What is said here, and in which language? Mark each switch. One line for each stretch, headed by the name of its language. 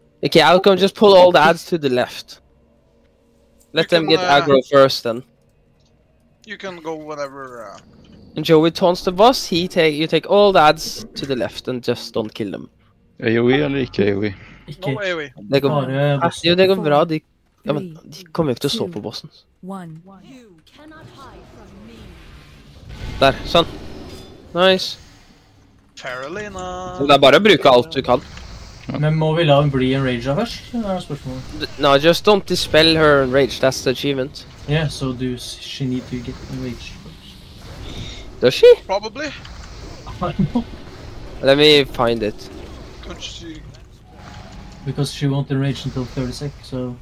English: Okay, outcome just pull all the adds to the left. Let them get aggro first then. You can go whenever, And Joey taunts the boss, you take all the adds to the left and just don't kill them.
Norwegian: AoE eller ikke AoE?
English: No AoE.
Norwegian: Det går bra, de... Ja, men de kommer jo ikke til å stå på bossen. Der, sånn. Nice. Feralina. Det er bare å bruke alt du kan. Men må vi la hun bli en rage da først? Det er spørsmålet.
English: No, just don't dispel her and rage, that's the achievement. Yeah, so she need to get the rage. Does she? Probably. I don't know. Let me find it. Because she won't enrage until 30 sec, so...